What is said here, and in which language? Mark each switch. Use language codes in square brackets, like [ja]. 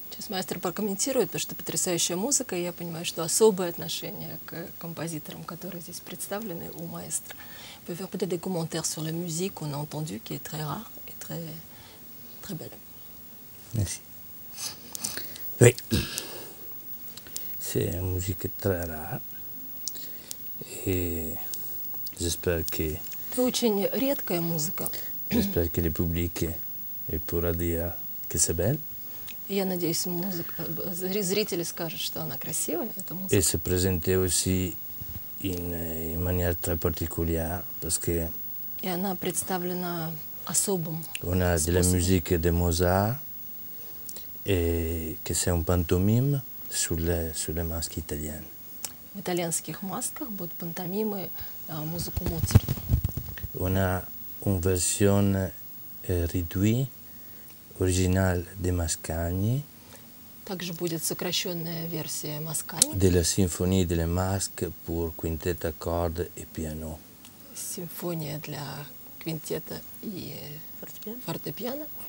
[ru] автор прокомментирует, потому что потрясающая музыка, и я понимаю, что особое отношение к композиторам, которые здесь представлены, у маэстро. Вы можете сделать какие-то комментарии о музыке, которую мы слышали, которая очень рара и очень красивая. Спасибо. [fr] Oui. C'est une musique très rare et j'espère que... C'est une rare musique. J'espère que le public pourra dire que c'est belle. Et je pense que les spectateurs diront qu'elle est belle. Et se présente aussi d'une manière très particulière parce que... Et elle est présentée à un spécial. On a de la musique de Mozart et que c'est un pantomime. Sur les masques italiennes. [ru] В итальянских масках будут пантомимы, музыку Моцарта. [fr] On a une version réduite, originale de Mascagni. [ru] Также будет сокращенная версия Mascagni. [fr] De la symphonie de les masques pour quintet à cordes et piano. [ru] Симфония для квинтета и фортепиано.